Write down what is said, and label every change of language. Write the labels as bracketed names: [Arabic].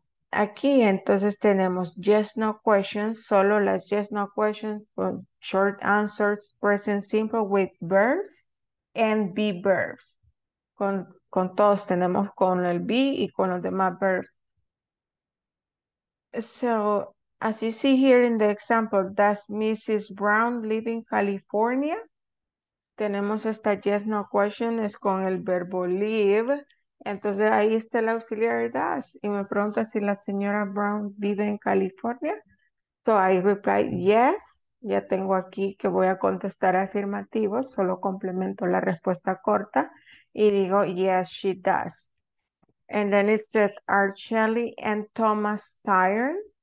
[Spanish] Aquí entonces tenemos yes, no questions, solo las yes, no questions, con short answers, present simple with verbs and be verbs. Con todos tenemos con el be y con los demás verbs. [English] So, as you see here in the example, does Mrs. Brown live in California? [Spanish] Tenemos esta yes, no question, es con el verbo live. Entonces, ahí está el auxiliar does. Y me pregunta si la señora Brown vive en California. [English] So, I reply yes. [Spanish] Ya tengo aquí que voy a contestar afirmativo. Solo complemento la respuesta corta. Y digo, [English] yes, she does. And then it said, are Shelly and Thomas tired?